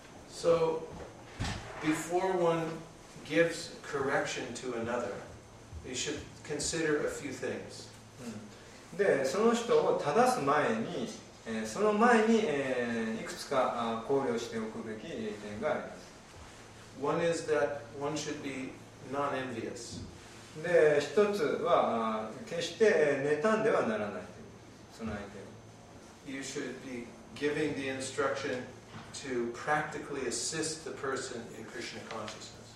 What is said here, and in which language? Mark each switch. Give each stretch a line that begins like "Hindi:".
English: So, before one gives correction to another, you should consider a few things.
Japanese: で、その人を正す前に、その前に、いくつか考慮しておくべき点があります。
English: One is that one should be non-envious.
Japanese: で、一つは決して妬んではならないという、その相手を。
English: You should be giving the instruction to practically assist the person in Krishna consciousness.